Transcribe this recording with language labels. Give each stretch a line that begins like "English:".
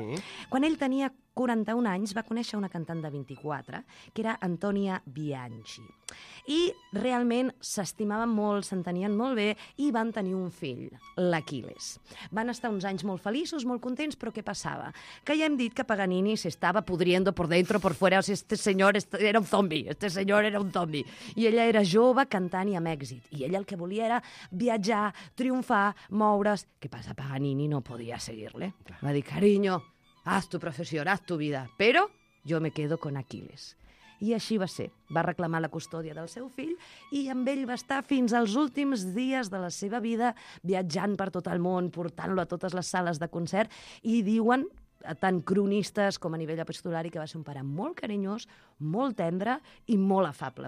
Catalan: Sí. Quan ell tenia 41 anys, va conèixer una cantant de 24, que era Antonia Bianchi. I realment s'estimaven molt, s'entenien molt bé, i van tenir un fill, l'Aquiles. Van estar uns anys molt feliços, molt contents, però què passava? Que ja hem dit que Paganini s'estava
Spanish: pudriendo por dentro, por fuera,
Catalan: o sigui,
Spanish: este señor era un zombi.
Catalan: I ella era jove, cantant i amb èxit. I ella el que volia era viatjar, triomfar, moure's. Què passa? Paganini no podia seguir-le. Va dir,
Spanish: cariño, haz tu profesión, haz tu vida, pero yo me quedo con Aquiles.
Catalan: I així va ser. Va reclamar la custòdia del seu fill i amb ell va estar fins als últims dies de la seva vida, viatjant per tot el món, portant-lo a totes les sales de concert, i diuen, tant cronistes com a nivell epistolari, que va ser un pare molt carinyós, molt tendre i molt afable.